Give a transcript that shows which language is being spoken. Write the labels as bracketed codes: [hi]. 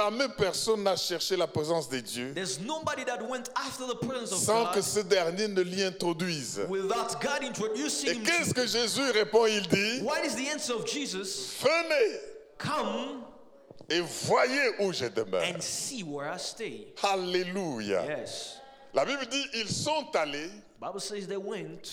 [fr] Jamais personne n'a cherché la présence de Dieu [en] There's nobody that went after the presence of [fr] sans [en] God [fr] que ce dernier ne l'y introduise. [en] Without God introducing [fr] Et qu'est-ce que Jésus répond, il dit, [en] What is the answer of Jesus? [fr] Venez [en] Come [fr] et voyez où je demeure. [en] And see where I stay. [fr] Alléluia. [en] Yes. [fr] La Bible dit, ils sont allés [en] Bible says they went,